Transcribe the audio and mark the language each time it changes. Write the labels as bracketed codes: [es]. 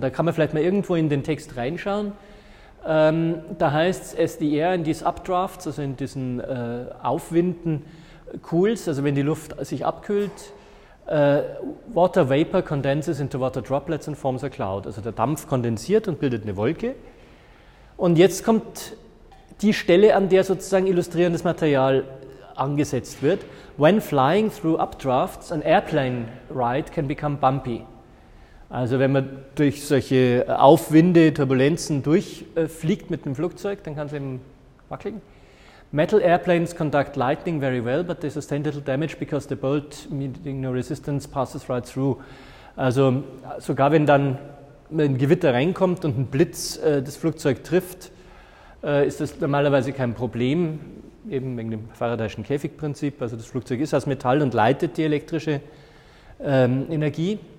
[de] Und da kann man vielleicht mal irgendwo in den Text reinschauen. Da heißt es SDR [en] in these updrafts, [de] also in diesen Aufwinden, [en] cools, [de] also wenn die Luft sich abkühlt, [en] water vapor condenses into water droplets and forms a cloud, [de] also der Dampf kondensiert und bildet eine Wolke. Und jetzt kommt die Stelle, an der sozusagen illustrierendes Material angesetzt wird. [en] When flying through updrafts, an airplane ride can become bumpy. [de] Also wenn man durch solche Aufwinde, Turbulenzen durchfliegt mit einem Flugzeug, dann kann es eben wackeln. [en] Metal airplanes conduct lightning very well, but they sustain little damage because the bolt meeting no resistance passes right through. [de] Also sogar wenn dann ein Gewitter reinkommt und ein Blitz das Flugzeug trifft, ist das normalerweise kein Problem, eben wegen dem Faradayschen Käfigprinzip. Also das Flugzeug ist aus Metall und leitet die elektrische Energie.